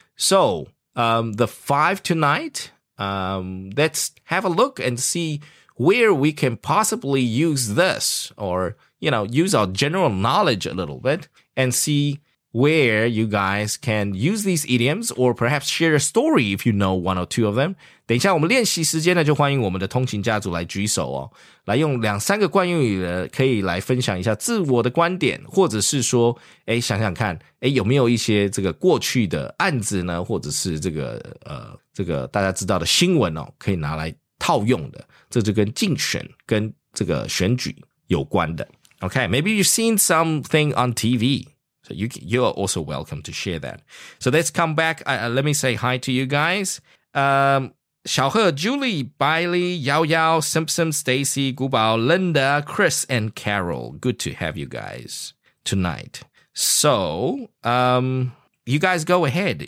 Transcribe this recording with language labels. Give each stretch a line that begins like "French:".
English: So the five tonight, let's have a look and see where we can possibly use this or, you know, use our general knowledge a little bit and see... where you guys can use these idioms or perhaps share a story if you know one or two of them.
Chinese: 等一下我们练习时间呢就欢迎我们的通勤家族来举手哦。来用两三个惯用语的可以来分享一下自我的观点或者是说诶想想看诶有没有一些这个过去的案子呢或者是这个这个大家知道的新闻哦可以拿来套用的。这就跟竞选跟这个选举有关的。
English: Okay, maybe you've seen something on TV. So you are also welcome to share that. So let's come back. Let me say hi to you guys. 小贺 Julie, Bailey, Yao Yao, Simpson, Stacy, Gubao, Linda, Chris, and Carol. Good to have you guys tonight. So you guys go ahead.